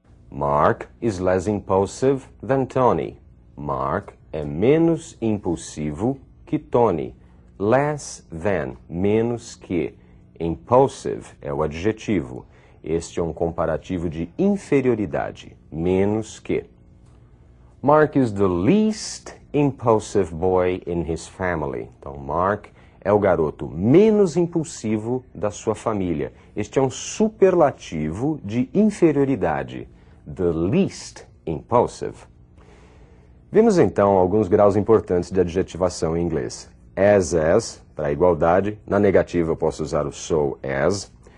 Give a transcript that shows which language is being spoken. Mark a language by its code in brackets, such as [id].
[en] Mark is less impulsive than Tony. [pt] Mark é menos impulsivo que Tony. Less than, menos que. Impulsive é o adjetivo. Este é um comparativo de inferioridade, menos que. [en] Mark is the least impulsive boy in his family. [pt] Então, Mark é o garoto menos impulsivo da sua família. Este é um superlativo de inferioridade. [en] The least impulsive. [pt] Vimos, então, alguns graus importantes de adjetivação em inglês. As, para igualdade. Na negativa, eu posso usar o so as.